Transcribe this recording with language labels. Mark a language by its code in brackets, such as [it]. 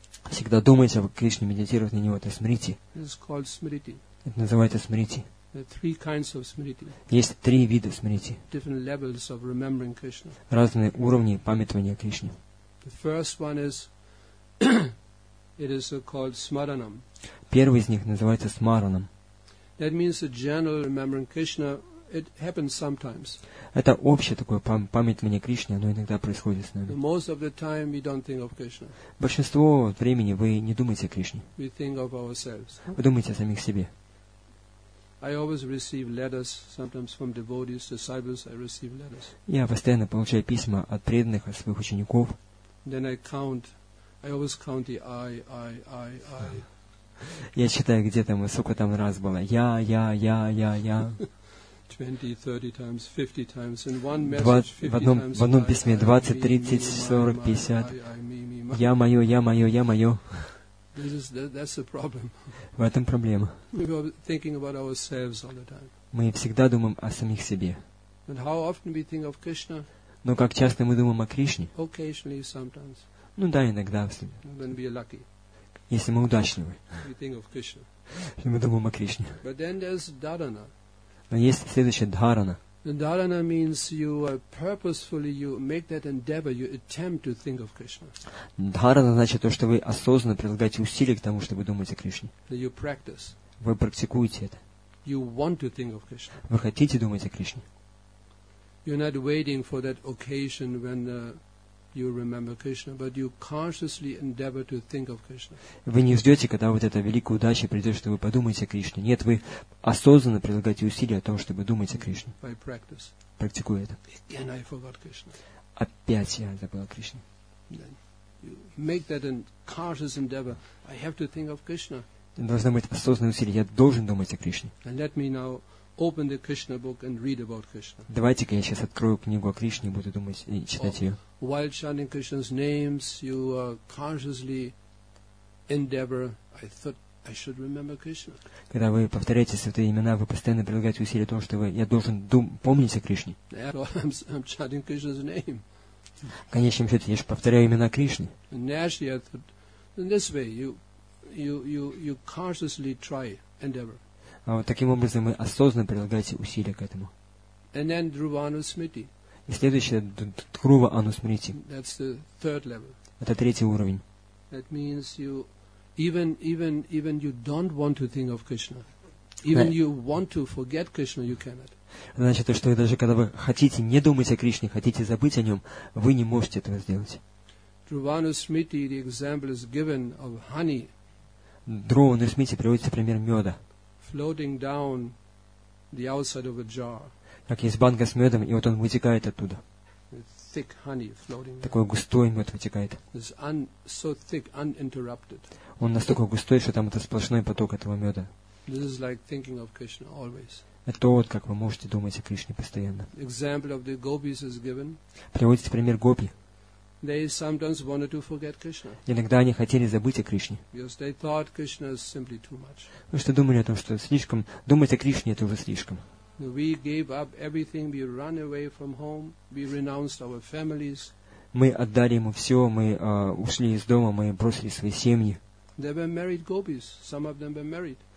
[ru] Всегда думать о Кришне, медитировать на Него – это смрити. Это называется смрити. [en] Three kinds of smriti. [ru] Есть три вида смрити. [en] Different levels of remembering Krishna. [ru] Разные уровни памятования Кришне. [en] The first one is, it is called smaranam. [ru] Первый из них называется смаранам. [en] That means a general remembering Krishna. It happens sometimes. [ru] Это общее такое памятование Кришне, оно иногда происходит с нами. [en] Most of the time we don't think of Krishna. [ru] Большинство времени вы не думаете о Кришне. [en] We think of ourselves. [ru] Вы думаете о самих себе. [en] I always receive letters, sometimes from devotees, disciples, I receive letters. [ru] Я постоянно получаю письма от преданных, от своих учеников. [en] Then I count, I always count the I. [ru] Я считаю, где там, сколько там раз было. Я. [en] 20, 30 times, 50 times, in one message, 50 times. [ru] В одном письме 20, 30, 40, 50. Я мое. [en] That's the problem. [ru] В этом проблема. [en] We are thinking about ourselves all the time. [ru] Мы всегда думаем о самих себе. [en] And how often we think of Krishna? [ru] Но как часто мы думаем о Кришне? [en] Occasionally, sometimes. [ru] Ну да, иногда. [en] When we are lucky. [ru] Если мы удачливы. [en] We think of Krishna. [ru] Если мы думаем о Кришне. [en] But then there's dharana. [ru] Но есть следующая дхарана. [en] Dharana means you purposefully you make that endeavor, you attempt to think of Krishna. [ru] Dharana значит то, что вы осознанно прилагаете усилия к тому, чтобы думать о Кришне. [en] You practice. [ru] Вы практикуете это. [en] You want to think of Krishna. [ru] Вы хотите думать о Кришне. [en] You're not waiting for that occasion when you remember Krishna, but you consciously endeavor to think of Krishna. [ru] Вы не ждете, когда вот эта великая удача придет, чтобы подумать о Кришне. Нет, вы осознанно прилагаете усилия о том, чтобы думать о Кришне. [en] By practice. [ru] Практикуя это. [en] Again I forgot Krishna. [ru] Опять я забыл о Кришне. [en] Then you make that a conscious endeavor. I have to think of Krishna. [ru] Должно быть осознанное усилие. Я должен думать о Кришне. [en] And let me now open the Krishna book and read about Krishna. [ru] Давайте-ка я сейчас открою книгу о Кришне и буду думать и читать ее. [en] While chanting Krishna's names, you consciously endeavor. I thought I should remember Krishna. [ru] Когда вы повторяете святые имена, вы постоянно прилагаете усилия того, что вы, я должен помнить о Кришне. [en] I'm chanting Krishna's name. [ru] В конечном счете, я же повторяю имена Кришны. [en] Naturally, I thought, in this way, you consciously try endeavor. [ru] А вот таким образом вы осознанно прилагаете усилия к этому. [en] And then Dhruvanusmriti. [ru] И следующее Дхрува Анусмрити. [en] That's the third level. [ru] Это третий уровень. [en] That means you even you don't want to think of Krishna. Even you want to forget Krishna, you cannot. [ru] Значит, то, что даже когда вы хотите не думать о Кришне, хотите забыть о нем, вы не можете этого сделать. [en] Dhruvanusmriti, the example is given of honey. [ru] Dhruvanusmriti приводится пример меда. [en] Floating down the outside of a jar. [ru] Как есть банка с медом, и вот он вытекает оттуда. [en] Thick honey floating. [ru] Такой густой мед вытекает. [en] It's so thick, uninterrupted. [ru] Он настолько густой, что там это сплошной поток этого меда. [en] This is like thinking of Krishna always. [ru] Это вот как вы можете думать о Кришне постоянно. [en] Example of the gopis is given. [ru] Приводится пример гопи. [en] They sometimes wanted to forget Krishna. [ru] Иногда они хотели забыть о Кришне. [en] Because they thought Krishna is simply too much. [ru] Потому что думали о том, что слишком думать о Кришне это уже слишком. [en] We gave up everything. We ran away from home. We renounced our families. [ru] Мы отдали ему все. Мы ушли из дома. Мы бросили свои семьи. [en] They were married gopis. Some of them were married.